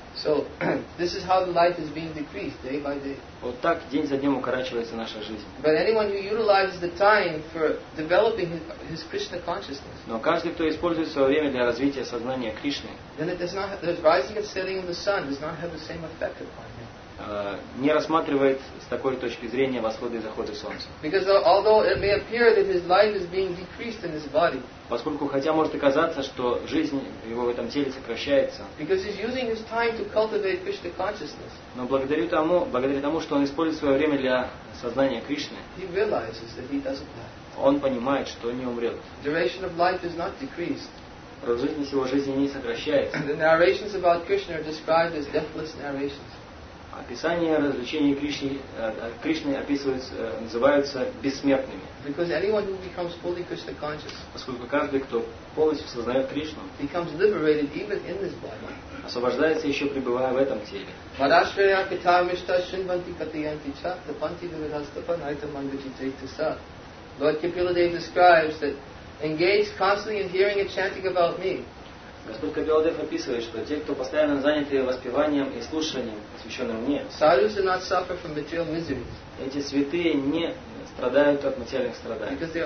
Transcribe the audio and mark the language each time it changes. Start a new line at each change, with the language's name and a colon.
English: So this is how the life is being decreased day by day.
Russian: Вот так день за днем укорачивается наша жизнь.
English: But anyone who utilizes the time for developing his Krishna consciousness.
Russian: Но каждый, кто использует свое время для развития сознания Кришны.
English: Then it does not have, the rising and setting of the sun does not have the same effect upon him.
Russian: Не рассматривает с такой точки зрения восходы и заходы солнца.
English: Because although it may appear that his life is being decreased in his body.
Russian: Поскольку хотя может оказаться, что жизнь его в этом теле сокращается.
English: Because he's using his time to cultivate Krishna consciousness.
Russian: Но благодаря тому, что он использует свое время для сознания Кришны.
English: He realizes that he doesn't die.
Russian: Он понимает, что не умрет.
English: Duration of life is not decreased.
Russian: Продолжительность его жизни не сокращается.
English: The narrations about Krishna are described as deathless narrations.
Russian: Описание развлечений Кришны, Кришны называются бессмертными.
English: Because anyone who becomes fully Krishna conscious,
Russian: поскольку каждый, кто полностью сознает Кришну,
English: becomes liberated even in this body.
Russian: Освобождается еще пребывая в этом теле.
Sanskrit: Madhashraya kita mishta shinvanti katiyanti cha tapanti vivirastapa naita mangajitaita sa.
English: Lord Kapiladeva describes that engaged constantly in hearing and chanting about me.
Russian: Господь Кабиладев описывает, что те, кто постоянно заняты воспеванием и слушанием, посвященным мне, эти святые не страдают от материальных страданий.